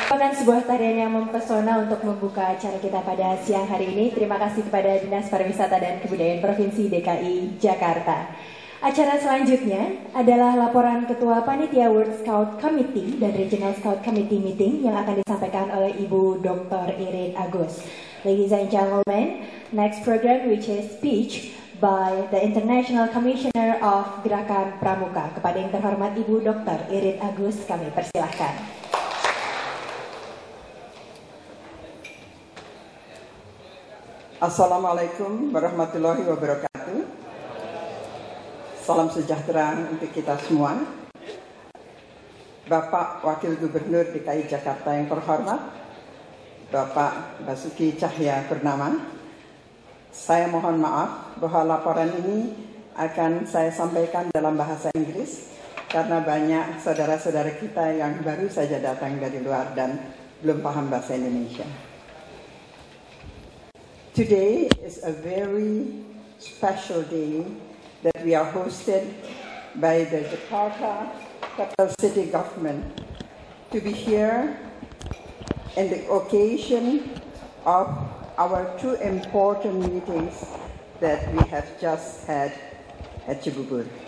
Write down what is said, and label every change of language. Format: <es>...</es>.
<id>sebuah tarian yang mempesona untuk membuka acara kita pada siang hari ini. Terima kasih kepada Dinas Pariwisata dan Kebudayaan Provinsi DKI Jakarta. Acara selanjutnya adalah laporan Ketua Panitia World Scout Committee dan Regional Scout Committee Meeting yang akan disampaikan oleh Ibu Dr. Irene Agus.</id> <en>Ladies and gentlemen, next program which is speech by the International Commissioner of Gerakan Pramuka.</en> <id>Kepada yang terhormat Ibu Dr. Irene Agus, kami persilahkan. Assalamualaikum warahmatullahi wabarakatuh. Salam sejahtera untuk kita semua. Bapak Wakil Gubernur DKI Jakarta yang terhormat, Bapak Basuki Cahya Purnama, saya mohon maaf bahwa laporan ini akan saya sampaikan dalam bahasa Inggris karena banyak saudara-saudara kita yang baru saja datang dari luar dan belum paham bahasa Indonesia.</id> <en>Today is a very special day that we are hosted by the Jakarta Capital City Government to be here in the occasion of our two important meetings that we have just had at Cibubur.</en>